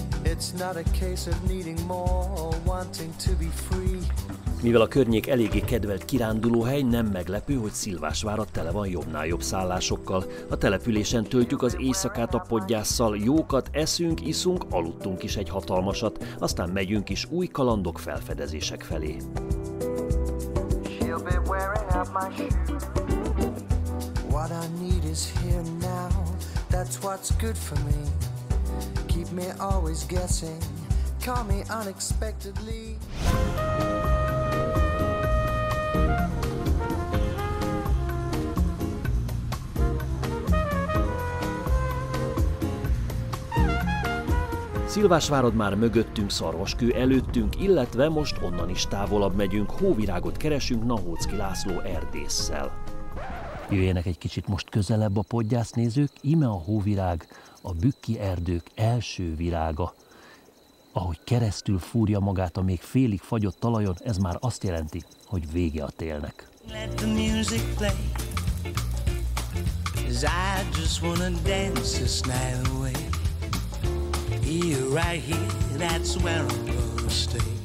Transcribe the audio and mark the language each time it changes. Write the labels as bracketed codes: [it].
[en] It's not a case of needing more or wanting to be free. [hu] Mivel a környék eléggé kedvelt kirándulóhely, nem meglepő, hogy Szilvásvára tele van jobbnál jobb szállásokkal. A településen töltjük az éjszakát a podgyásszal, jókat eszünk, iszunk, aludtunk is egy hatalmasat, aztán megyünk is új kalandok, felfedezések felé. [en] She'll be wearing out my shoes. What I need is here now. That's what's good for me. Keep me always guessing. Call me unexpectedly. [hu] Szilvásvárad már mögöttünk, Szarvaskő előttünk, illetve most onnan is távolabb megyünk, hóvirágot keresünk Nahócki László erdésszel. Jöjjenek egy kicsit most közelebb a podgyásznézők, íme a hóvirág, a bükki erdők első virága. Ahogy keresztül fúrja magát a még félig fagyott talajon, ez már azt jelenti, hogy vége a télnek. [en] Let the music play, 'cause I just wanna dance this night away. Here, right here, that's where I'm gonna stay.